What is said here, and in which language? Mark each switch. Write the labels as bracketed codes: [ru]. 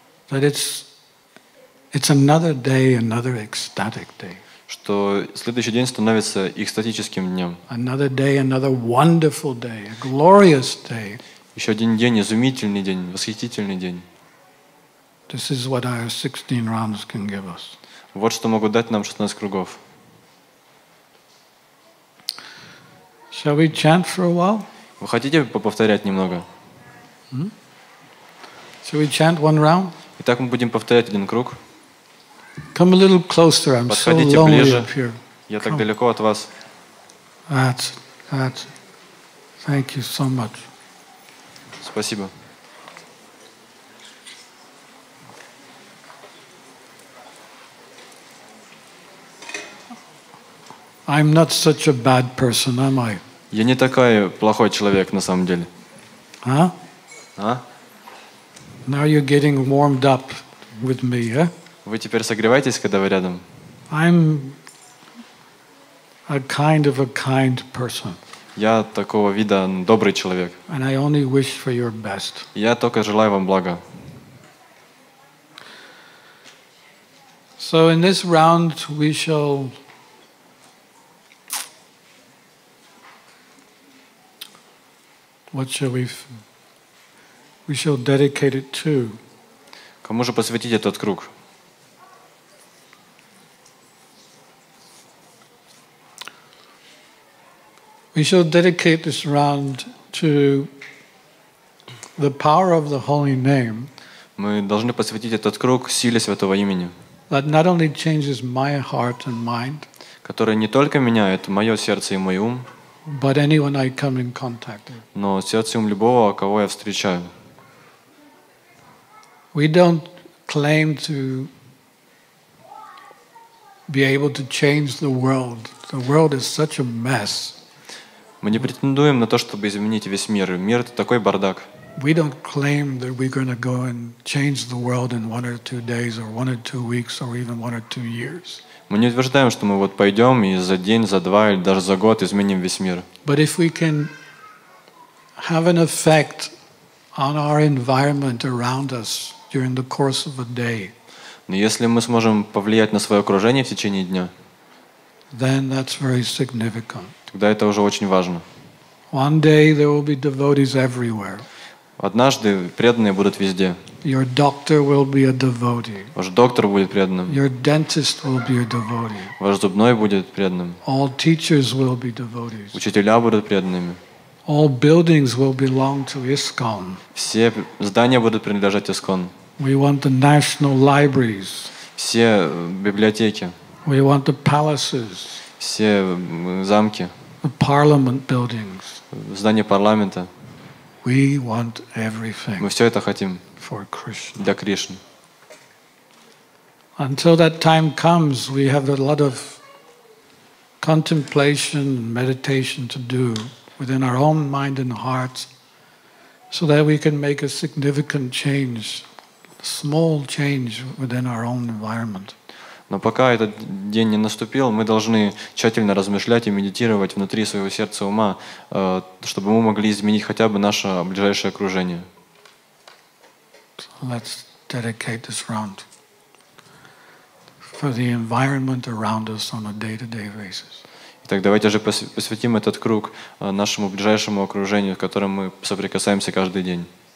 [en] That it's another day, another ecstatic day. [ru] Что следующий день становится экстатическим днем. [en] Another day, another wonderful day, a glorious day. [ru] Еще один день, изумительный день, восхитительный день. [en] This is what our 16 rounds can give us. [ru] Вот что могут дать нам 16 кругов. [en] Shall we chant for a while? [ru] Вы хотите повторять немного? [en] Shall we chant one round? [ru] Итак, мы будем повторять один круг. [en] Come a little closer. I'm so lonely up here. [ru] Подходите ближе. [en] Come. [ru] Я так далеко от вас. [en] That's. Thank you so much. [ru] Спасибо. [en] I'm not such a bad person, am I? [ru] Я не такой плохой человек на самом деле. А? А? [en] Now you're getting warmed up with me, yeah? [ru] Вы теперь согреваетесь, когда вы рядом? [en] I'm a kind of a kind person. [ru] Я такого вида добрый человек. [en] And I only wish for your best. [ru] Я только желаю вам блага. [en] So in this round we shall what shall we shall dedicate it to? [ru] Кому же посвятить этот круг? [en] We shall dedicate this round to the power of the holy name. [ru] Мы должны посвятить этот круг силе святого имени. [en] That not only changes my heart and mind. [ru] которые не только меняют мое сердце и мой ум, [en] but anyone I come in contact with. [ru] Но сердце и ум любого, кого я встречаю. [en] We don't claim to be able to change the world. The world is such a mess. [ru] Мы не претендуем на то, чтобы изменить весь мир. Мир — это такой бардак. [en] We don't claim that we're going to go and change the world in one or two days or one or two weeks or even one or two years. [ru] Мы не утверждаем, что мы вот пойдем и за день, за два или даже за год изменим весь мир. [en] But if we can have an effect on our environment around us during the course of a day. [ru] Но если мы сможем повлиять на свое окружение в течение дня, [en] then that's very significant. [ru] Тогда это уже очень важно. [en] One day there will be devotees everywhere. [ru] Однажды преданные будут везде. [en] Your doctor will be a devotee. [ru] Ваш доктор будет преданным. [en] Your dentist will be a devotee. [ru] Ваш зубной будет преданным. [en] All teachers will be devotees. [ru] Учителя будут преданными. [en] All buildings will belong to ISKCON. [ru] Все здания будут принадлежать ISKCON. [en] We want the national libraries. [ru] Все библиотеки. [en] We want the palaces. [ru] Все замки. [en] The parliament buildings. [ru] Здания парламента. [en] We want everything. [ru] Мы все это хотим [en] for Krishna. [ru] Для Кришны. [en] Until that time comes, we have a lot of contemplation and meditation to do within our own mind and hearts, so that we can make a significant change, small change within our own environment. [ru] Но пока этот день не наступил, мы должны тщательно размышлять и медитировать внутри своего сердца и ума, чтобы мы могли изменить хотя бы наше ближайшее окружение. [en] Let's dedicate this round for the environment around us on a day-to-day basis. [ru] Итак, давайте же посвятим этот круг нашему ближайшему окружению, с которым мы соприкасаемся каждый день.